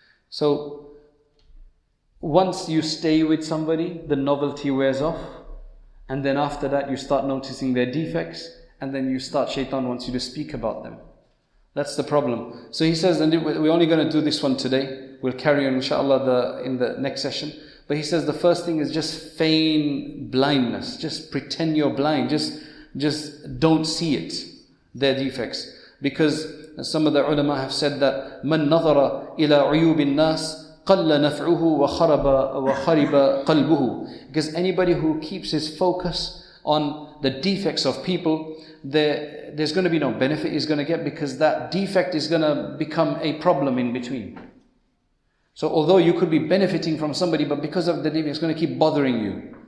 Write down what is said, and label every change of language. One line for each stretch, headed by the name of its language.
English: So once you stay with somebody, the novelty wears off, and then after that you start noticing their defects, and then you start, shaitan wants you to speak about them. That's the problem. So he says, and we're only going to do this one today. We'll carry on, inshallah, in the next session. But he says the first thing is just feign blindness. Just pretend you're blind. Just don't see it, their defects. Because some of the ulama have said that
Arabic: مَنْ نَظَرَ إِلَىٰ عُيُوبِ النَّاسِ قَلَّ نَفْعُهُ وَخَرِبَ قَلْبُهُ.
English: Because anybody who keeps his focus on the defects of people, there's going to be no benefit he's going to get, because that defect is going to become a problem in between. So although you could be benefiting from somebody, but because of the defect, it's going to keep bothering you.